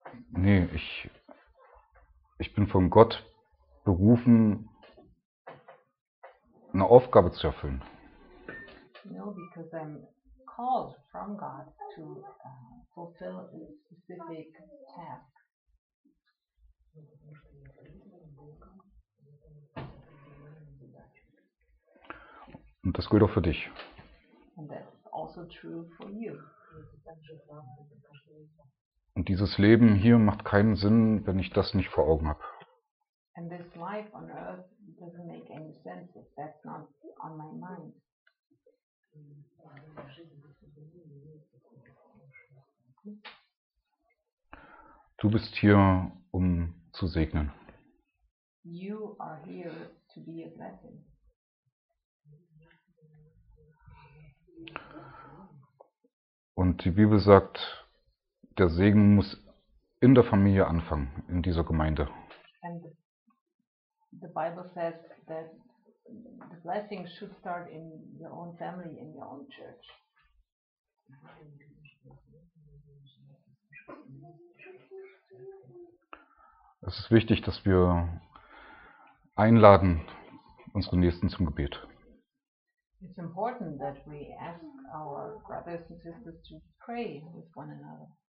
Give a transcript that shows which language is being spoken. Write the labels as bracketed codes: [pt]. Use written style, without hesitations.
[de] Nee, ich bin von Gott berufen, eine Aufgabe zu erfüllen. [en] No, because I'm called from God to fulfill a specific task. [de] Und das gilt auch für dich. [en] And that's also true for you. [de] Und dieses Leben hier macht keinen Sinn, wenn ich das nicht vor Augen habe. [en] And this life on earth doesn't make any sense if that's not on my mind. [de] Du bist hier, um zu segnen. [en] You are here to be a blessing. [de] Und die Bibel sagt, der Segen muss in der Familie anfangen, in dieser Gemeinde. [en] And the Bible says that the blessing should start in your own family, in your own church. [de] Es ist wichtig, dass wir einladen unsere Nächsten zum Gebet. [en] It's important that we ask our brothers and sisters to pray with one another.